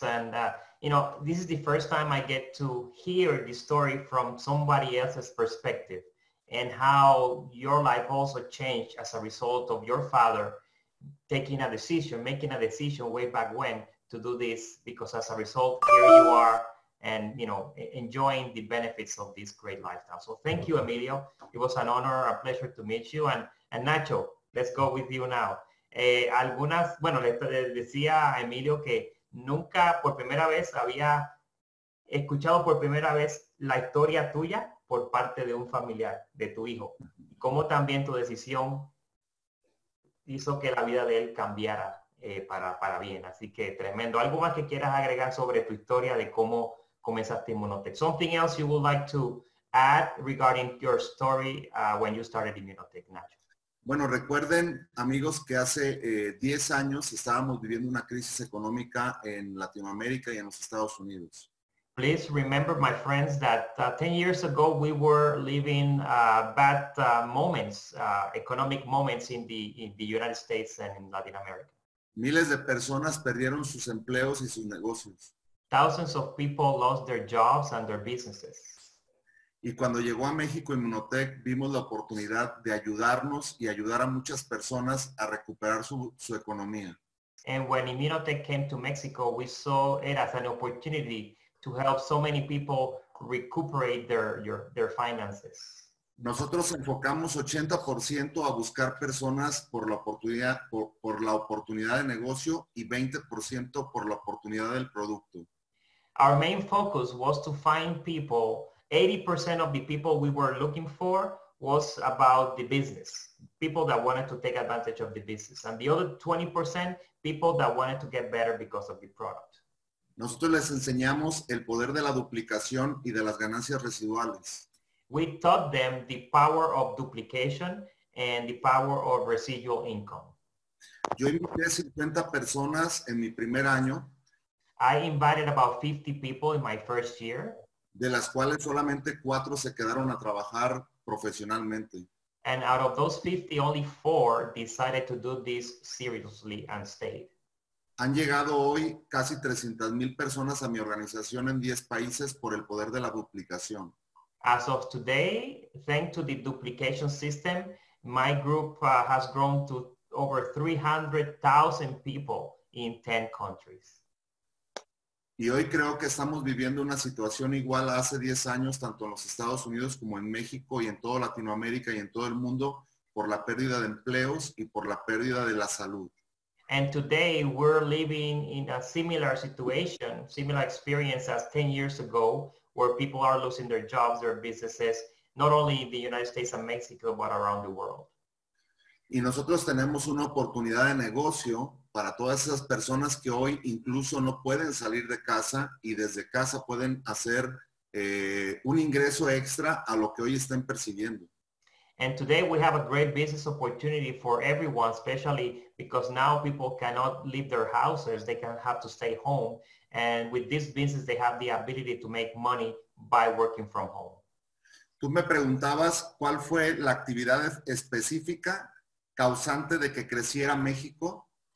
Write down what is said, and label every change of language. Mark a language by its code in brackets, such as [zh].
[en] And you know, this is the first time I get to hear the story from somebody else's perspective, and how your life also changed as a result of your father making a decision way back when to do this, because as a result, here you are, and you know, enjoying the benefits of this great lifestyle. So thank you, Emilio. It was an honor, a pleasure to meet you. And Nacho, let's go with you now. [es] Algunas, bueno, le decía a Emilio que nunca por primera vez había escuchado por primera vez la historia tuya por parte de un familiar, de tu hijo. Cómo también tu decisión hizo que la vida de él cambiara para bien. Así que tremendo. ¿Algo más que quieras agregar sobre tu historia de cómo comenzaste Immunotech? [en] Something else you would like to add regarding your story when you started Immunotech Natural? [es] Bueno, recuerden, amigos, que hace 10 años estábamos viviendo una crisis económica en Latinoamérica y en los Estados Unidos. [en] Please remember, my friends, that 10 years ago we were living bad moments, economic moments in the United States and in Latin America. [es] Miles de personas perdieron sus empleos y sus negocios. [en] Thousands of people lost their jobs and their businesses. [es] Y cuando llegó a México Immunotech, vimos la oportunidad de ayudarnos y ayudar a muchas personas a recuperar su economía. [en] And when Immunotech came to Mexico, we saw it as an opportunity to help so many people recuperate their finances. [es] Nosotros enfocamos 80% a buscar personas por la oportunidad de negocio y 20% por la oportunidad del producto. [en] Our main focus was to find people. 80% of the people we were looking for was about the business, people that wanted to take advantage of the business. And the other 20%, people that wanted to get better because of the product. [es] Nosotros les enseñamos el poder de la duplicación y de las ganancias residuales. [en] We taught them the power of duplication and the power of residual income. [es] Yo invité 50 personas en mi primer año. [en] I invited about 50 people in my first year. [es] De las cuales solamente 4 se quedaron a trabajar profesionalmente. [en] And out of those 50, only 4 decided to do this seriously and stayed. [es] Han llegado hoy casi 300,000 personas a mi organización en 10 países por el poder de la duplicación. [en] As of today, thanks to the duplication system, my group has grown to over 300,000 people in 10 countries. [es] Y hoy creo que estamos viviendo una situación igual a hace 10 años, tanto en los Estados Unidos como en México y en toda Latinoamérica y en todo el mundo, por la pérdida de empleos y por la pérdida de la salud. [en] And today we're living in a similar situation, similar experience as 10 years ago, where people are losing their jobs, their businesses, not only in the United States and Mexico, but around the world. [es] Y nosotros tenemos una oportunidad de negocio para todas esas personas que hoy incluso no pueden salir de casa y desde casa pueden hacer un ingreso extra a lo que hoy están persiguiendo. [en] And today we have a great business opportunity for everyone, especially because now people cannot leave their houses. They can have to stay home. And with this business, they have the ability to make money by working from home. [es] Tú me preguntabas cuál fue la actividad específica causante de que creciera México.